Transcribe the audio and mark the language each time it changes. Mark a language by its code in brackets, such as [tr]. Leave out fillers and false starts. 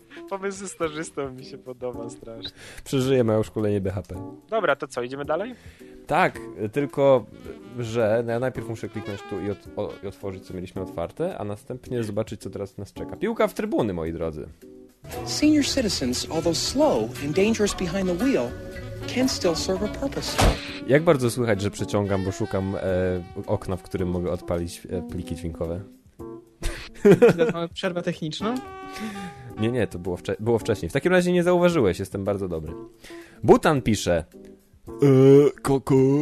[pl] Pomysł ze stażystą mi się podoba strasznie. Przeżyję moje szkolenie BHP. Dobra, to co, idziemy dalej? Tak, tylko że no ja najpierw muszę kliknąć tu i otworzyć, co mieliśmy otwarte, a następnie zobaczyć, co teraz nas czeka. Piłka w trybuny, moi drodzy. [en] Senior citizens, although slow and dangerous behind the wheel, can still serve a purpose. [pl] Jak bardzo słychać, że przeciągam, bo szukam okna, w którym mogę odpalić pliki dźwiękowe. Mamy przerwę techniczną? Nie, to było wcześniej. W takim razie nie zauważyłeś, jestem bardzo dobry. Butan pisze. Koku.